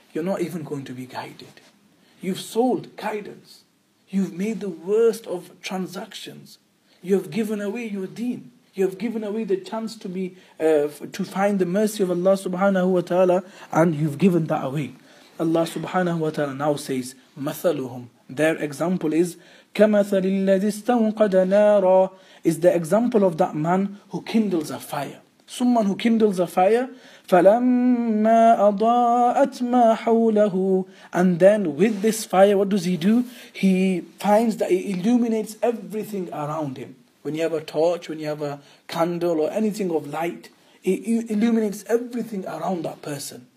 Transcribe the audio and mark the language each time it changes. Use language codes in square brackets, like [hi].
[en] You're not even going to be guided. You've sold guidance. You've made the worst of transactions. You've given away your deen. You have given away the chance to be to find the mercy of Allah subhanahu wa ta'ala, and you've given that away. Allah subhanahu wa ta'ala now says, [ar] مَثَلُهُمْ. [en] Their example is, [ar] كَمَثَلِ الَّذِي اسْتَوْقَدَ نَارًا. [en] Is the example of that man who kindles a fire. Someone who kindles a fire. [ar] فَلَمَّا أَضَاءَتْ مَا حَوْلَهُ. [en] And then with this fire, what does he do? He finds that it illuminates everything around him. When you have a torch, when you have a candle or anything of light, it illuminates everything around that person.